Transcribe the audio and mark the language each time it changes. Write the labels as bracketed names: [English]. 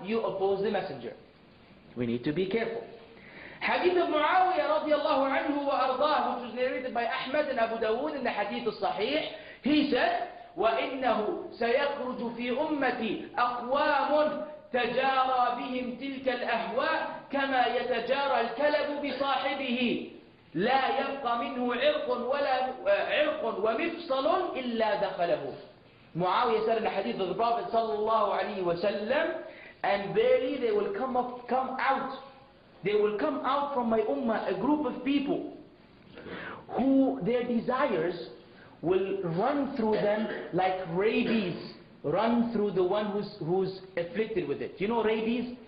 [English] You oppose the Messenger. We need to be careful. Hadith of Muawiyah radiallahu anhu wa ardaah, which was narrated by Ahmad and Abu Dawood in the Hadith al-Sahih, he said, [Arabic] وَإِنَّهُ سَيَخْرُجُ فِي أُمَّتِي أَقْوَامٌ تَجَارَى بِهِمْ تِلْكَ الْأَهْوَاءِ كَمَا يَتَجَارَى الْكَلَبُ بِصَاحِبِهِ. لا يبقى منه عرق ولا عرق ومفصل إلا دخله. [English] معاوية said in the hadith of the Prophet sallallahu alayhi wa sallam, and verily they will come out. They will come out from my ummah, a group of people who their desires will run through them like rabies run through the one who's afflicted with it. You know rabies?